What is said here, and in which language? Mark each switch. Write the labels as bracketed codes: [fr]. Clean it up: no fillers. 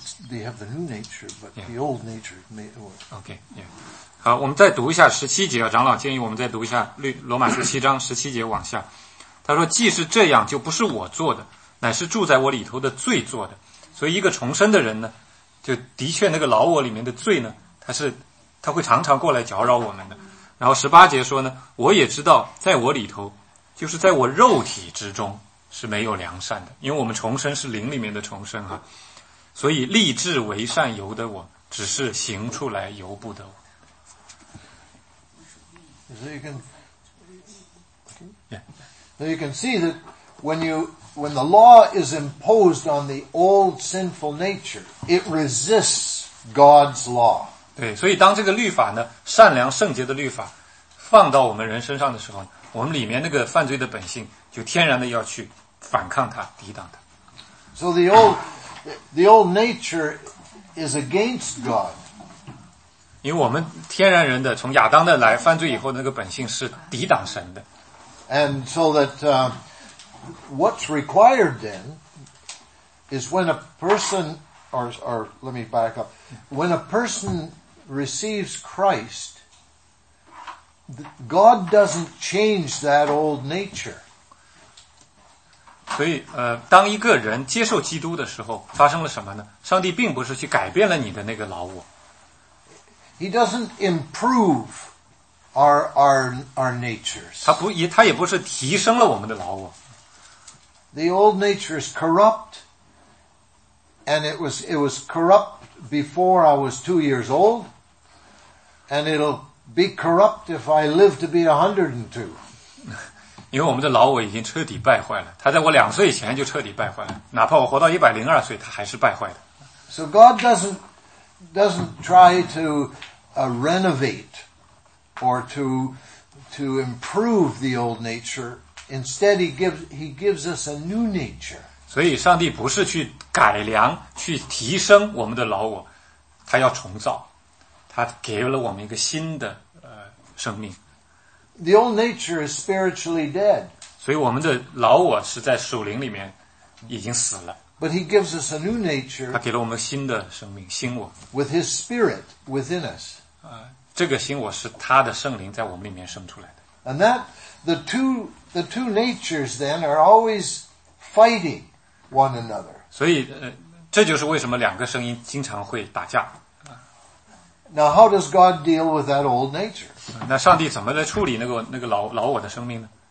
[en] They have the new nature, but the old nature may work. Okay. Yeah. [zh] 好，我们再读一下十七节。长老建议我们再读一下罗马书七章十七节往下。他说：“既是这样，就不是我做的，乃是住在我里头的罪做的。所以一个重生的人呢，就的确那个老我里面的罪呢，他会常常过来搅扰我们的。然后十八节说呢，我也知道在我里头，就是在我肉体之中是没有良善的，因为我们重生是灵里面的重生啊，所以立志为善由得我，只是行出来由不得我。 [en] So you can see that when the law is imposed on the old sinful nature, it resists God's law. [zh] 对，所以当这个律法呢，善良圣洁的律法放到我们人身上的时候，我们里面那个犯罪的本性就天然的要去反抗它，抵挡它。 [en] So the old nature is against God. [zh] 因为我们天然人的从亚当的来犯罪以后的那个本性是抵挡神的。 [en] And so that, what's required then is when a person,Or let me back up. When a person receives Christ, God doesn't change that old nature. [zh] 所以，当一个人接受基督的时候，发生了什么呢？上帝并不是去改变了你的那个老我。 [en] He doesn't improve our natures. [zh] 他也不是提升了我们的老我。 [en] The old nature is corrupt. And it was corrupt before I was 2 years old. And it'll be corrupt if I live to be 102. [zh] 因为我们的老我已经彻底败坏了。他在我两岁前就彻底败坏了。哪怕我活到102岁他还是败坏的。 [en] So God doesn't try to, renovate or to improve the old nature. Instead, he gives us a new nature. [zh] 所以上帝不是去改良去提升我们的老我，他要重造，他给了我们一个新的生命。 [en] The old nature is spiritually dead. [zh] 所以我们的老我是在属灵里面已经死了。 [en] But he gives us a new nature. [zh] 他给了我们新的生命，新我。 [en] With his spirit within us. [zh] 这个新我是他的圣灵在我们里面生出来的。 [en] And that, the two natures then are always fighting. One another. [zh] 所以，这就是为什么两个声音经常会打架。 [en] Now, how does God deal with that old nature? [zh] 那上帝怎么来处理那个老我的生命呢？